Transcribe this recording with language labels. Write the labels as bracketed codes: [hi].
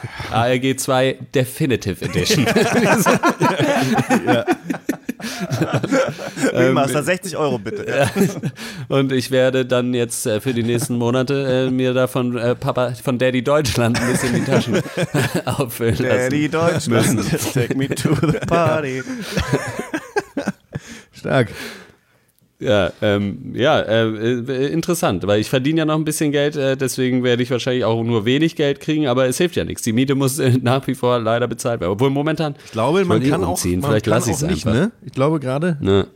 [en] ARG 2 Definitive Edition. [de] Remaster, 60 Euro bitte. Ja. Und ich werde dann jetzt für die nächsten Monate mir da von Papa, von Daddy Deutschland ein bisschen die Taschen auffüllen Daddy lassen. [en] Daddy Deutschland, take me to the party. [de] Stark. Ja, interessant, weil ich verdiene ja noch ein bisschen Geld, deswegen werde ich wahrscheinlich auch nur wenig Geld kriegen, aber es hilft ja nichts. Die Miete muss nach wie vor leider bezahlt werden, obwohl momentan. Ich glaube, ich man kann umziehen. Auch, vielleicht lasse ich es nicht, einfach. Ne? Ich glaube gerade. Ne.